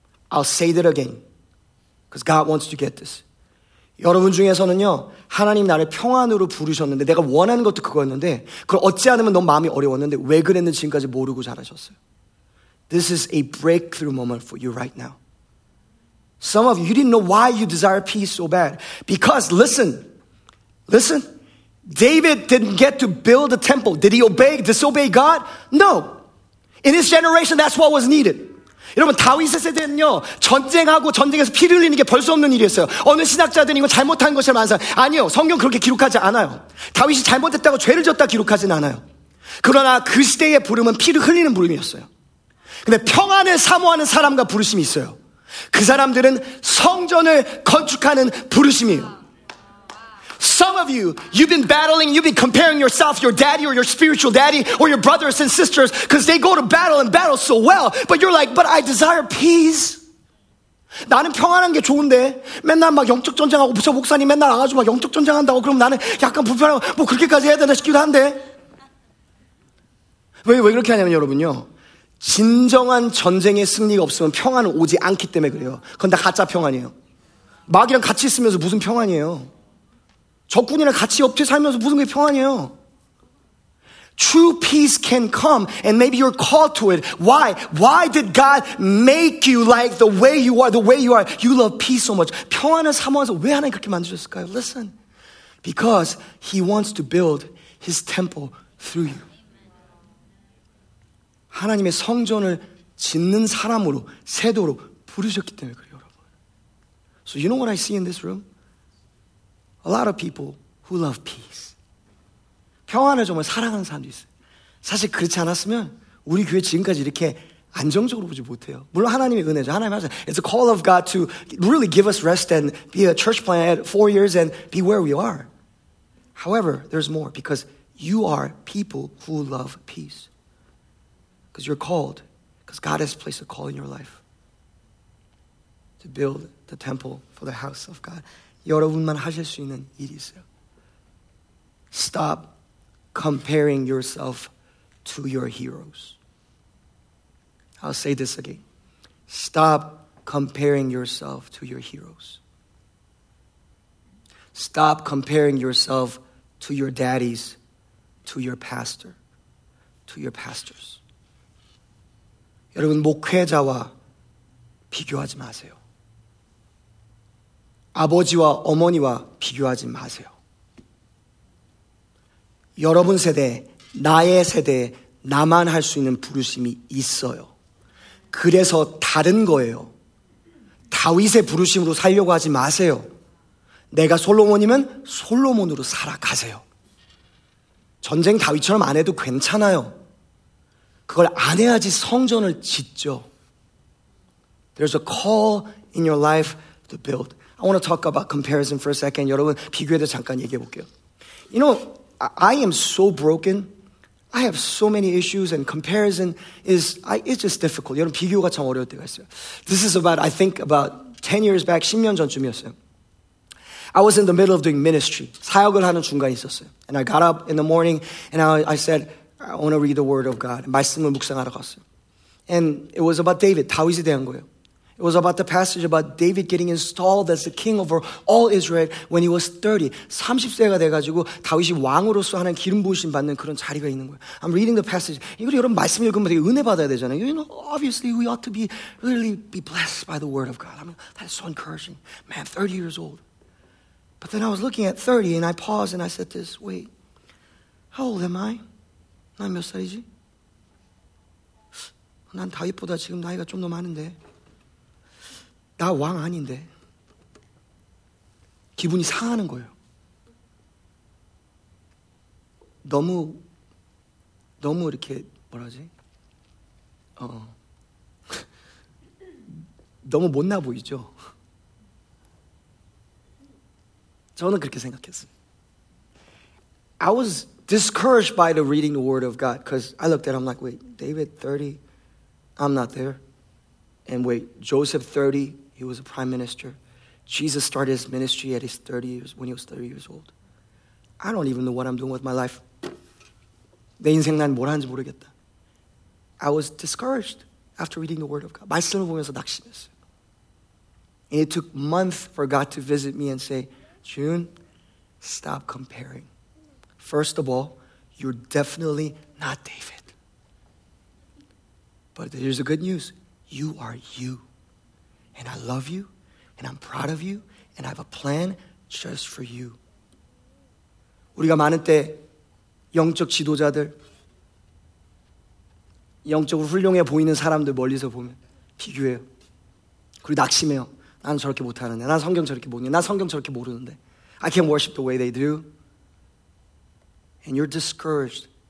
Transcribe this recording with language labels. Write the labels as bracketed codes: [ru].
[en] I'll say that again. Because God wants to get this. [ko] 여러분 중에서는요, 하나님 나를 평안으로 부르셨는데 내가 원하는 것도 그거였는데 그걸 얻지 않으면 너무 마음이 어려웠는데 왜 그랬는지 지금까지 모르고 자라셨어요. [en] This is a breakthrough moment for you right now. Some of you, you didn't know why you desire peace so bad. Because, listen, David didn't get to build a temple. Did he obey, disobey God? No. In his generation, that's what was needed. [ko] 여러분 다윗의 세대는요 전쟁하고 전쟁에서 피를 흘리는 게 벌써 없는 일이었어요. 어느 신학자들은 이건 잘못한 것이라 많은 사람. 아니요, 성경 그렇게 기록하지 않아요. 다윗이 잘못했다고 죄를 졌다 기록하진 않아요. 그러나 그 시대의 부름은 피를 흘리는 부름이었어요. 근데 평안을 사모하는 사람과 부르심이 있어요. 그 사람들은 성전을 건축하는 부르심이에요. [en] Some of you, you've been battling, you've been comparing yourself, your daddy or your spiritual daddy or your brothers and sisters because they go to battle and battle so well. But you're like, but I desire peace. [ko] 나는 평안한 게 좋은데 맨날 막 영적 전쟁하고 부처 목사님 맨날 와가지고 막 영적 전쟁한다고 그럼 나는 약간 불편하고 뭐 그렇게까지 해야 되나 싶기도 한데 왜 그렇게 하냐면 여러분요 진정한 전쟁의 승리가 없으면 평안은 오지 않기 때문에 그래요. 그건 다 가짜 평안이에요. 마귀랑 같이 있으면서 무슨 평안이에요. 적군이랑 같이 옆에 살면서 무슨 게 평안이에요? [en] True peace can come and maybe you're called to it. Why? Why did God make you like the way you are, the way you are? You love peace so much. [ko] 평안을 사모해서 왜 하나님 그렇게 만드셨을까요? [en] Listen. Because he wants to build his temple through you. [ko] 하나님의 성전을 짓는 사람으로, 세도로 부르셨기 때문에 그래요, 여러분. [en] So you know what I see in this room? A lot of people who love peace. [ko] 평안을 정말 사랑하는 사람도 있어요. 사실 그렇지 않았으면 우리 교회 지금까지 이렇게 안정적으로 보지 못해요. 물론 하나님의 은혜죠. 하나님 하세요. [en] It's a call of God to really give us rest and be a church plant four years and be where we are. However, there's more because you are people who love peace. Because you're called, because God has placed a call in your life to build the temple for the house of God. [ko] 여러분만 하실 수 있는 일이 있어요. [en] Stop comparing yourself to your heroes. I'll say this again. Stop comparing yourself to your heroes. Stop comparing yourself to your daddies, to your pastor, to your pastors. [ko] 여러분 목회자와 비교하지 마세요. 아버지와 어머니와 비교하지 마세요. 여러분 세대, 나의 세대에 나만 할 수 있는 부르심이 있어요. 그래서 다른 거예요. 다윗의 부르심으로 살려고 하지 마세요. 내가 솔로몬이면 솔로몬으로 살아가세요. 전쟁 다윗처럼 안 해도 괜찮아요. 그걸 안 해야지 성전을 짓죠. [en] There's a call in your life to build. I want to talk about comparison for a second. [ko] 여러분, 비교에 대해 잠깐 얘기해 볼게요. [en] You know, I am so broken. I have so many issues and comparison is, it's just difficult. [ko] 여러분, 비교가 참 어려울 때가 있어요. [en] This is about, I think, about 10 years back, [ko] 10년 전쯤이었어요. [en] I was in the middle of doing ministry. [ko] 사역을 하는 중간이 있었어요. [en] And I got up in the morning and I said, I want to read the word of God. [ko] 말씀을 묵상하러 갔어요. [en] And it was about David, [ko] 다윗에 대한 거예요. [en] It was about the passage about David getting installed as the king over all Israel when he was 30. [ko] 30세가 돼가지고 다윗이 왕으로서 하는 기름 부으심 받는 그런 자리가 있는 거예요. [en] I'm reading the passage. [ko] 이거 여러분 말씀 읽으면 되게 은혜 받아야 되잖아요. [en] You know, obviously we ought to be really be blessed by the word of God. I mean, that is so encouraging. Man, 30 years old. But then I was looking at 30 and I paused and I said this, wait. How old am I? [ko] 난 몇 살이지? 난 다윗보다 지금 나이가 좀 더 많은데. 나 왕 아닌데. 기분이 상하는 거예요. 너무 이렇게 뭐라 하지? 너무 못나 보이죠? 저는 그렇게 생각했어요. [en] I was discouraged by the reading the word of God because I looked at it, I'm like, wait, David 30, I'm not there. And wait, Joseph 30, he was a prime minister. Jesus started his ministry at his 30 years, when he was 30 years old. I don't even know what I'm doing with my life. [ko] 내 인생 난 뭘 하는지 모르겠다. [en] I was discouraged after reading the word of God. [ko] 말씀을 보면서 낙심했어요. [en] And it took months for God to visit me and say, June, stop comparing. First of all, you're definitely not David. But here's the good news. You are you. And I love you, and I'm proud of you, and I have a plan just for you. [ko] 우리가 많은 때 영적 지도자들, 영적으로 훌륭해 보이는 사람들 멀리서 보면 비교해요. 그리고 낙심해요. 나는 저렇게 못하는데, 난 성경 저렇게 모르는데, 난 성경 저렇게 모르는데. [en] I can't worship the way they do. And you're discouraged.